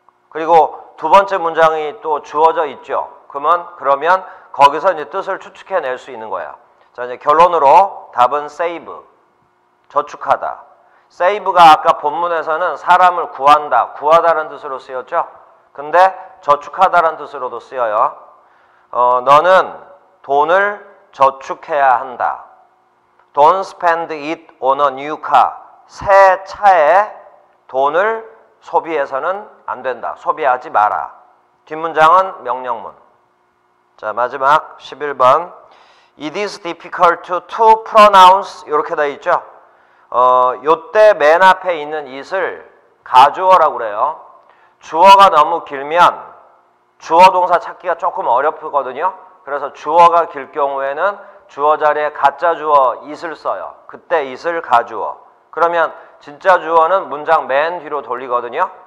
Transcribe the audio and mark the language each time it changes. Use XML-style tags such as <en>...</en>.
<ko>그리고 두 번째 문장이 또 주어져 있죠. 그러면 거기서 이제 뜻을 추측해낼 수 있는 거예요. 자, 이제 결론으로 답은 save, 저축하다. Save가 아까 본문에서는 사람을 구한다, 구하다라는 뜻으로 쓰였죠. 근데 저축하다라는 뜻으로도 쓰여요. 너는 돈을 저축해야 한다.</ko> <en>Don't spend it on a new car.</en> <ko>새 차에 돈을 소비해서는 안 된다. 소비하지 마라. 뒷문장은 명령문. 자, 마지막 11번.</ko> <en>It is difficult to pronounce.</en> <ko>이렇게 되어 있죠. 요때 맨 앞에 있는 it을 가주어라고 그래요. 주어가 너무 길면 주어 동사 찾기가 조금 어렵거든요. 그래서 주어가 길 경우에는 주어 자리에 가짜 주어 it을 써요. 그때 it을 가주어. 그러면 진짜 주어는 문장 맨 뒤로 돌리거든요.</ko>